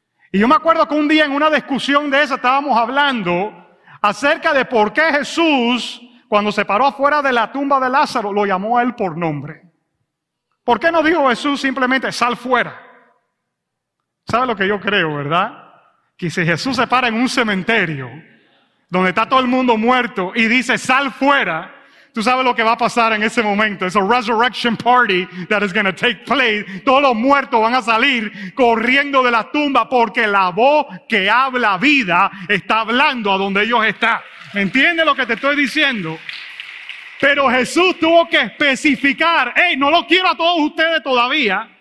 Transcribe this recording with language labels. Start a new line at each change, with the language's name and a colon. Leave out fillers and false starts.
Spanish: Y yo me acuerdo que un día en una discusión de esa estábamos hablando acerca de por qué Jesús, cuando se paró afuera de la tumba de Lázaro, lo llamó a él por nombre. ¿Por qué no dijo Jesús simplemente, sal fuera? ¿Sabe lo que yo creo, verdad? Que si Jesús se para en un cementerio, donde está todo el mundo muerto, y dice, sal fuera, tú sabes lo que va a pasar en ese momento.
English: It's a resurrection party that is going to take place.
Spanish: Todos los muertos van a salir corriendo de la tumba porque la voz que habla vida está hablando a donde ellos están. ¿Entiendes lo que te estoy diciendo? Pero Jesús tuvo que especificar, hey, no lo quiero a todos ustedes todavía.